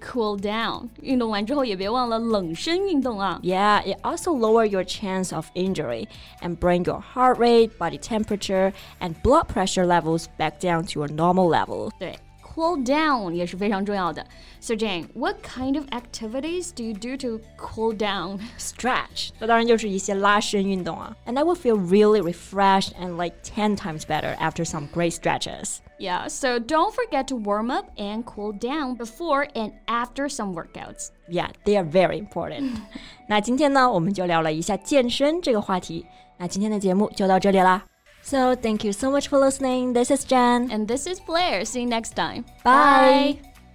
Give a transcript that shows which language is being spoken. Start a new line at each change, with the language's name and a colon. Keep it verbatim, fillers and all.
English: cool down.
Chinese: 运动完之后也别忘了冷身运动啊。
English: Yeah, it also lowers your chance of injury and bring your heart rate, body temperature, and blood pressure levels back down to your normal level.
Chinese: 对。 Cool down 也是非常重要的。
English: So Jane, what kind of activities do you do to cool down?
Chinese: Stretch, 那当然就是一些拉伸运动啊。
English: And I will feel really refreshed and like ten times better after some great stretches. Yeah, so don't forget to warm up and cool down before and after some workouts. Yeah, they are very important.
Chinese: 那今天呢，我们就聊了一下健身这个话题。那今天的节目就到这里啦。
English: So, thank you so much for listening. This is Jen. And this is Blair. See you next time. Bye. Bye.